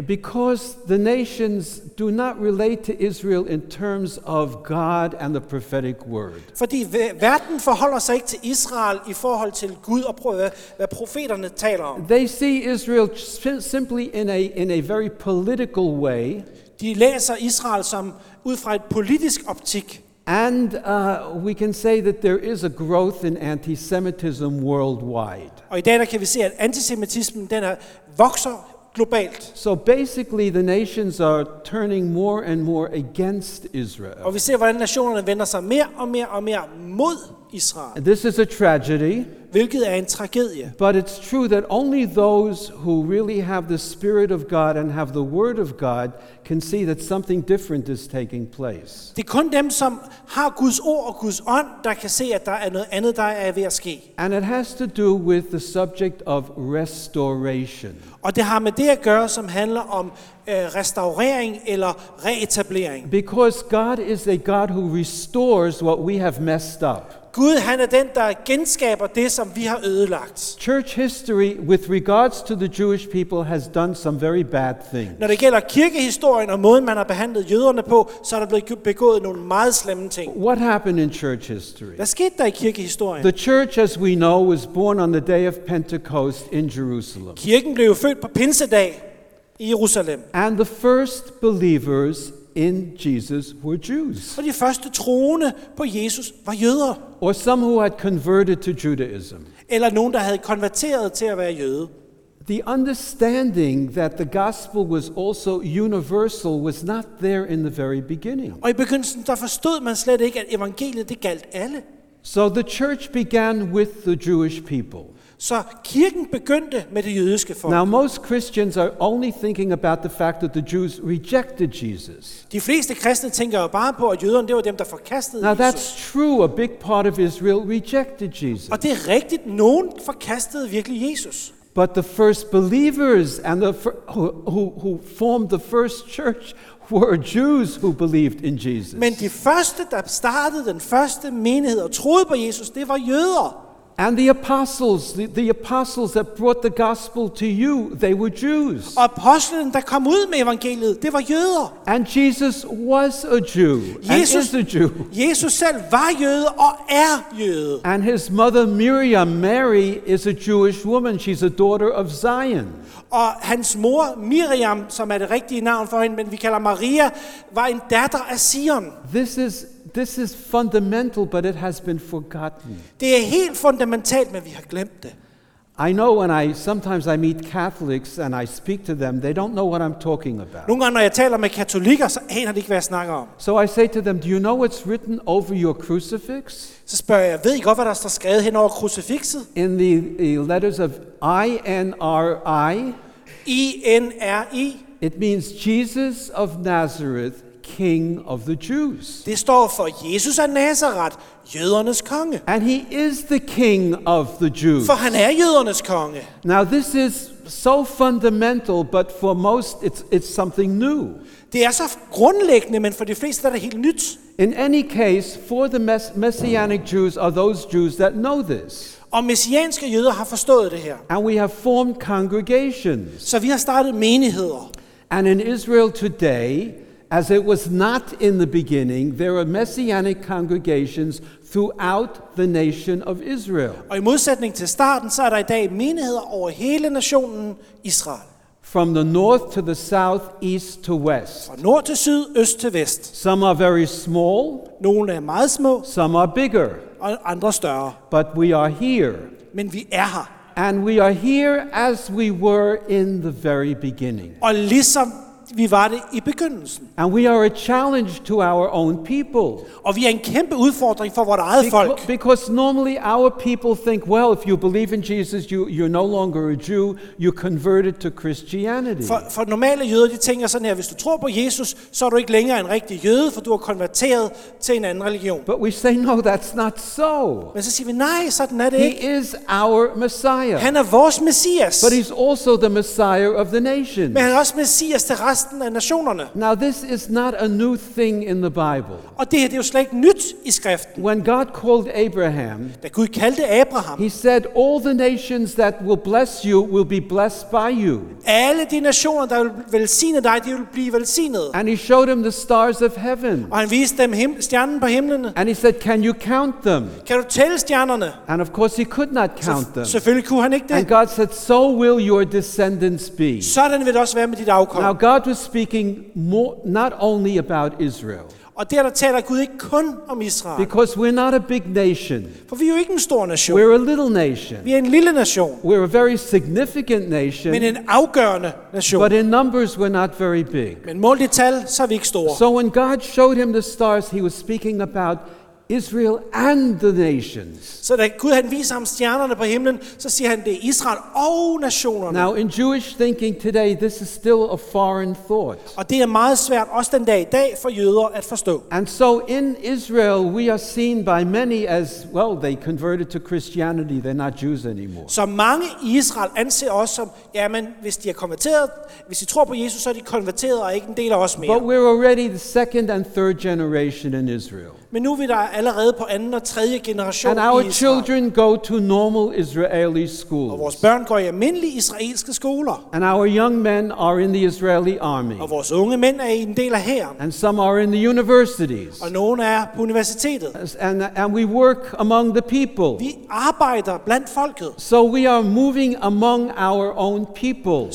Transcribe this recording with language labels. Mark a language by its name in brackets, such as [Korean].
[English] Because the nations do not relate to Israel in terms of God and the prophetic word. [Danish] Fordi verden forholder sig ikke til Israel i forhold til Gud og hvad profeterne taler om. [English] They see Israel simply in a very political way. [Danish] De læser Israel som ud fra et politisk optik. [English] And we can say that there is a growth in antisemitism worldwide. [Danish] Og i dag kan vi se, at antisemitismen den vokser globalt. [English] So basically the nations are turning more and more against Israel. [Danish] Og vi ser, hvordan nationerne vender sig mere og mere og mere mod Israel. [English] This is a tragedy. [Danish] Hvilket er en tragedie. [English] But it's true that only those who really have the Spirit of God and have the Word of God can see that something different is taking place. [Danish] Det er kun dem, som har Guds ord og Guds ånd, der kan se, at der er noget andet, der er ved at ske. [English] And it has to do with the subject of restoration. [Danish] Og det har med det at gøre, som handler om restaurering eller reetablering. [English] Because God is a God who restores what we have messed up. [Danish] Gud, han er den, der genskaber det, som vi har ødelagt. [English] Church history with regards to the Jewish people has done some very bad things. [Danish] Når det gælder kirkehistorien og måden, man har behandlet jøderne på, så er der blevet begået nogle meget slemme ting. [English] What happened in church history? [Danish] Hvad skete der i kirkehistorien? [English] The church, as we know, was born on the day of Pentecost in Jerusalem. [Danish] Kirken blev født på pinsedag i Jerusalem. [English] And the first believers in Jesus were Jews. [Danish] Og de første troende på Jesus var jøder. [English] Or some who had converted to Judaism. [Danish] Eller nogen, der havde konverteret til at være jøde. [English] The understanding that the gospel was also universal was not there in the very beginning. [Danish] Og i begyndelsen der forstod man slet ikke, at evangeliet det galt alle. [English] So the church began with the Jewish people. [Danish] Så kirken begyndte med det jødiske folk. [English] Now most Christians are only thinking about the fact that the Jews rejected Jesus. [Danish] De fleste kristne tænker bare på at jøderne det var dem der forkastede Jesus. [English] Now that's true, a big part of Israel rejected Jesus. [Danish] Og det er rigtigt, nogen forkastede virkelig Jesus. [English] But the first believers and the who formed the first church were Jews who believed in Jesus. [Danish] Men de første der startede den første menighed og troede på Jesus, det var jøder. [English] And the apostles, the apostles that brought the gospel to you, they were Jews. [Danish] Apostlen der kom ud med evangeliet, det var jøder. [English] And Jesus was a Jew. [Danish] Jesus [English] and is a Jew. [Danish] Jesus selv var jøde og er jøde. [English] And his mother Miriam, Mary is a Jewish woman. She's a daughter of Zion. [Danish] Og hans mor Miriam, som er det rigtige navn for hende, men vi kalder Maria, var en datter af Sion. [English] This is fundamental, but it has been forgotten. [Danish] Det er helt fundamentalt, men vi har glemt det. [English] I know when I sometimes meet Catholics and I speak to them, they don't know what I'm talking about. [Danish] Nogle gange, når jeg taler med katolikker, så aner de ikke, hvad jeg snakker om. [English] So I say to them, do you know what's written over your crucifix? [Danish] Så spørger jeg, ved I godt, hvad der står skrevet hen over krucifixet? [English] In the letters of I-N-R-I. [Danish] I-N-R-I. [English] It means Jesus of Nazareth, King of the Jews. [Danish] Det står for Jesus af Nazareth, jødernes konge. [English] And he is the king of the Jews. [Danish] For han er jødernes konge. [English] Now this is so fundamental, but for most it's something new. [Danish] Det er så grundlæggende, men for de fleste er det helt nyt. [English] In any case, for the messianic Jews are those Jews that know this. [Danish] Og messianske jøder har forstået det her. [English] And we have formed congregations. [Danish] Så vi har startet menigheder. [English] And in Israel today, as it was not in the beginning, there are messianic congregations throughout the nation of Israel. [Danish] Og i modsætning til starten, så er der i dag menigheder over hele nationen Israel. [English] From the north to the south, east to west. [Danish] Fra nord til syd, øst til vest. [English] Some are very small. [Danish] Nogle er meget små. [English] Some are bigger. [Danish] Og andre større. [English] But we are here. [Danish] Men vi er her. [English] And we are here as we were in the very beginning. [Danish] Og ligesom vi var det i begyndelsen. [English] And we are a challenge to our own people. [Danish] Og vi er en kæmpe udfordring for vores eget folk. [English] Because normally our people think, well, if you believe in Jesus, you're no longer a Jew, you converted to Christianity. [Danish] For normale jøder, de tænker sådan her, hvis du tror på Jesus, så er du ikke længere en rigtig jøde, for du har konverteret til en anden religion. [English] But we say, no, that's not so. [Danish] Men så siger vi, nej, sådan er det [English] he [Danish] ikke. [English] He is our Messiah. [Danish] Han er vores Messias. [English] But he's also the Messiah of the nations. [Danish] Men han er også Messias til resten. [English] Now this is not a new thing in the Bible. [Danish] Og det her, det er jo slet ikke nyt i skriften. [English] When God called Abraham, [Danish] da Gud kaldte Abraham, [English] he said, all the nations that will bless you will be blessed by you. [Danish] Alle de nationer der vil velsigne dig, de vil blive velsignet. [English] And he showed him the stars of heaven. [Danish] Og han viste dem stjernen på himlen. [English] And he said, can you count them? [Danish] Kan du tælle stjernerne? [English] And of course he could not count them. [Danish] Selvfølgelig kunne han ikke det. [English] And God said, so will your descendants be. [Danish] Sådan vil det også være med dit afkom. [English] Now God was speaking more, not only about Israel. [Danish] Og der taler Gud ikke kun om Israel. [English] Because we're not a big nation. [Danish] For vi er jo ikke en stor nation. [English] We're a little nation. [Danish] Vi er en lille nation. [English] We're a very significant nation. [Danish] Men en afgørende nation. [English] But in numbers we're not very big. [Danish] Men målt i tal så er vi ikke store. [English] So when God showed him the stars, he was speaking about Israel and the nations. [Danish] Så da Gud han viser ham stjernerne på himlen, så siger han det er Israel og nationerne. [English] Now in Jewish thinking today, this is still a foreign thought. [Danish] Og det er meget svært også den dag i dag for jøder at forstå. [English] And so in Israel, we are seen by many as well. They converted to Christianity. They're not Jews anymore. [Danish] Så mange i Israel anser os som, jamen hvis de er konverteret, hvis de tror på Jesus, så er de konverteret og ikke en del af os mere. [English] But we're already the second and third generation in Israel. [Danish] Men nu er vi der allerede på anden og tredje generation. [English] And our children go to normal Israeli schools. [Danish] Og vores børn går i almindelige israelske skoler. [English] And our young men are in the Israeli army. [Danish] Og vores unge mænd er en del af hæren. [English] And some are in the universities. [Danish] Og nogle er på universitetet. [English] And we work among the people. [Danish] Vi arbejder blandt folket. [English] So we are moving among our own people.